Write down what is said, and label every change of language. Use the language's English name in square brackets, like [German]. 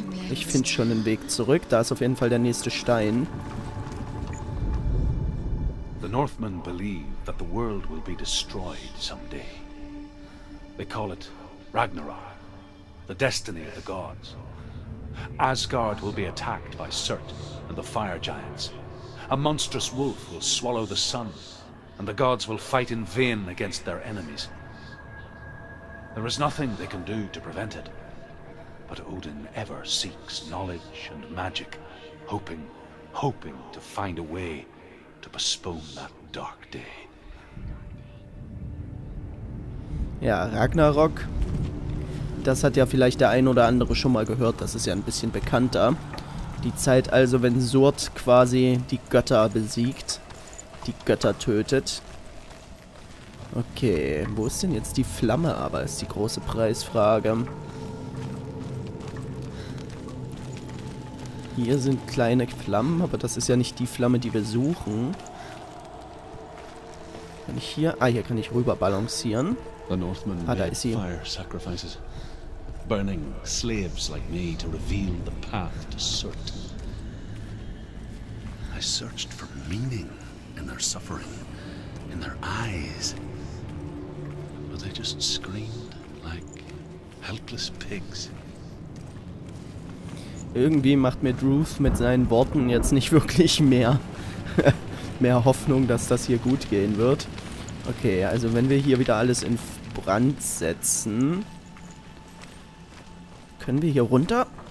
[German] Ich finde schon einen Weg zurück. Da ist auf jeden Fall der nächste Stein. [English] The Northmen believe that the world will be destroyed someday. They call it Ragnarok, the destiny of the gods. Asgard will be attacked by Surt and the fire giants. A monstrous wolf will swallow the sun, and the gods will fight in vain against their enemies. There is nothing they can do to prevent it. But Odin ever seeks knowledge and magic, hoping to find a way to postpone that dark day. [German] Ja, Ragnarok. Das hat ja vielleicht der ein oder andere schon mal gehört, das ist ja ein bisschen bekannter. Die Zeit also, wenn Surt quasi die Götter besiegt, die Götter tötet. Okay, wo ist denn jetzt die Flamme aber, ist die große Preisfrage. Hier sind kleine Flammen, aber das ist ja nicht die Flamme, die wir suchen. Kann ich hier... Ah, hier kann ich rüber balancieren. Ah, da ist sie. [English] Fire sacrifices. Burning slaves like me to reveal the path to Surt. I searched for meaning in their suffering, in their eyes. But they just screamed like helpless pigs. [German] Irgendwie macht mir Druth mit seinen Worten jetzt nicht wirklich mehr mehr Hoffnung, dass das hier gut gehen wird. Okay, also wenn wir hier wieder alles in Brand setzen, können wir hier runter?